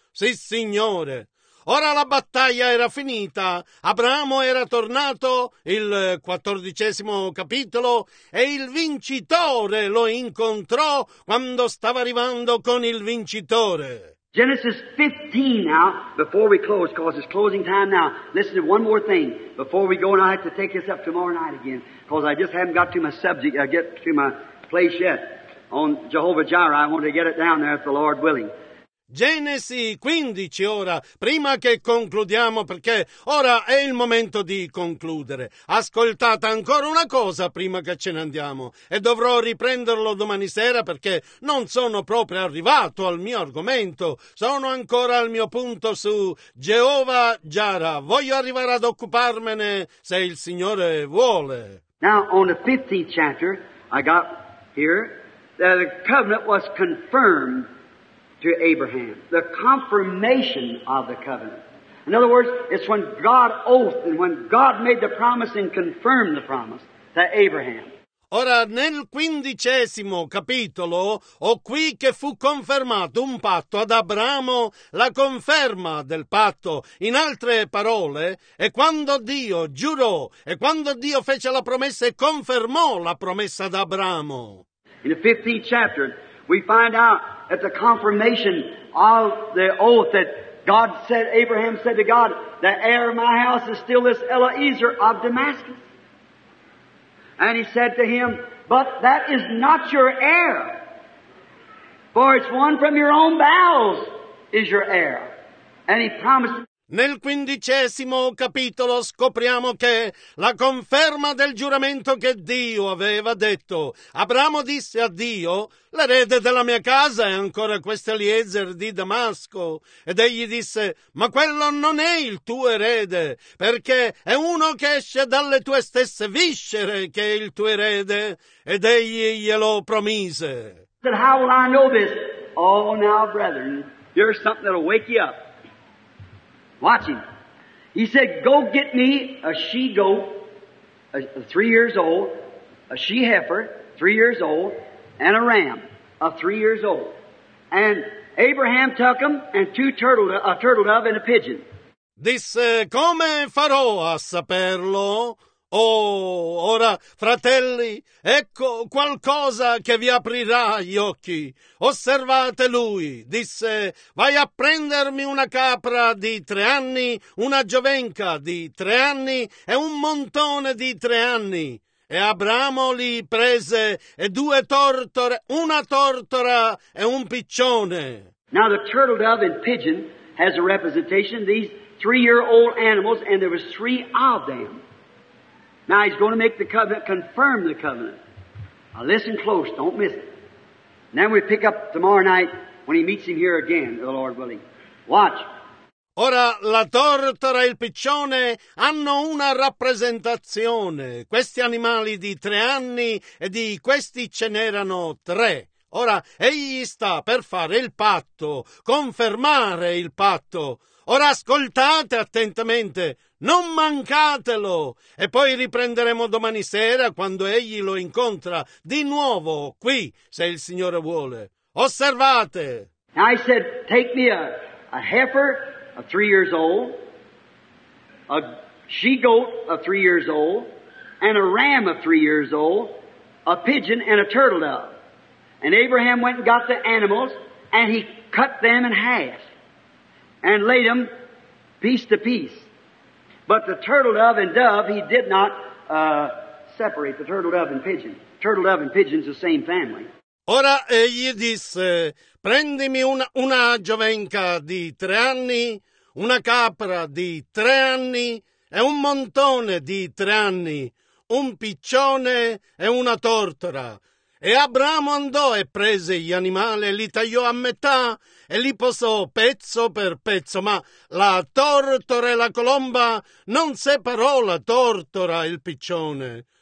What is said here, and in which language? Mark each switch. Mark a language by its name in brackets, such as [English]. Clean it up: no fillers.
[Italian] Sì, Signore. Ora la battaglia era finita, Abramo era tornato, il 14° capitolo, e il vincitore lo incontrò quando stava arrivando con il vincitore. [English] Genesis 15 now, before we close, because it's closing time now. Listen to one more thing before we go, and I have to take this up tomorrow night again, because I just haven't got to my subject, I get to my place yet on Jehovah Jireh. I want to get it down there if the Lord willing. [Italian] Genesi 15 ora, prima che concludiamo, perché ora è il momento di concludere. Ascoltate ancora una cosa prima che ce ne andiamo, e dovrò riprenderlo domani sera perché non sono proprio arrivato al mio argomento, sono ancora al mio punto su Geova Giara. Voglio arrivare ad occuparmene se il Signore vuole. [English] Now on the 15th chapter I got here that the covenant was confirmed to Abraham, the confirmation of the covenant. In other words, it's when God oathed and when God made the promise and confirmed the promise to Abraham. [Italian] Ora, nel 15° capitolo, ho qui che fu confermato un patto ad Abramo, la conferma del patto. In altre parole, è quando Dio giurò, e quando Dio fece la promessa e confermò la promessa ad Abramo. [English] In the 15th chapter, we find out at the confirmation of the oath that God said, Abraham said to God, the heir of my house is still this Eliezer of Damascus. And he said to him, but that is not your heir, for it's one from your own bowels is your heir. And he promised. [Italian] Nel 15° capitolo scopriamo che la conferma del giuramento che Dio aveva detto. Abramo disse a Dio, l'erede della mia casa è ancora questo Eliezer di Damasco. Ed egli disse, ma quello non è il tuo erede, perché è uno che esce dalle tue stesse viscere che è il tuo erede. Ed egli glielo promise. [English] But how will I know this? Oh, now, brethren, here's something that'll wake you up. Watch him. He said, go get me a she-goat, 3 years old, a she-heifer, 3 years old, and a ram, of 3 years old. And Abraham took them, and a turtle dove and a pigeon. [Italian] Disse, come farò a saperlo? Oh, ora, fratelli, ecco qualcosa che vi aprirà gli occhi. Osservate lui, disse, vai a prendermi una capra di 3 anni, una giovenca di 3 anni e un montone di 3 anni. E Abramo li prese e 2 tortore, una tortora e un piccione. [English] Now the turtle dove and pigeon has a representation, these 3-year-old animals, and there was 3 of them. Now he's going to make the covenant, confirm the covenant. Now listen close, don't miss it. And then we pick up tomorrow night when he meets him here again, the Lord willing. Watch. [Italian] Ora, la tortora e il piccione hanno una rappresentazione. Questi animali di 3 anni e di questi ce n'erano 3. Ora, egli sta per fare il patto, confermare il patto. Ora ascoltate attentamente, Non mancatelo! E poi riprenderemo domani sera quando egli lo incontra di nuovo qui, se il Signore vuole. Osservate! [English] I said, take me a heifer of 3 years old, a she-goat of 3 years old, and a ram of 3 years old, a pigeon and a turtle dove. And Abraham went and got the animals, and he cut them in half, and laid them piece to piece. But the turtle dove and dove, he did not separate the turtle dove and pigeon. Turtle dove and pigeon's the same family. [Italian] Ora egli disse, prendimi una giovenca di 3 anni, una capra di 3 anni, e un montone di 3 anni, un piccione e una tortora. E Abramo andò e prese gli animali e li tagliò a metà e li posò pezzo per pezzo, ma la tortora e la colomba non separò la tortora e il piccione.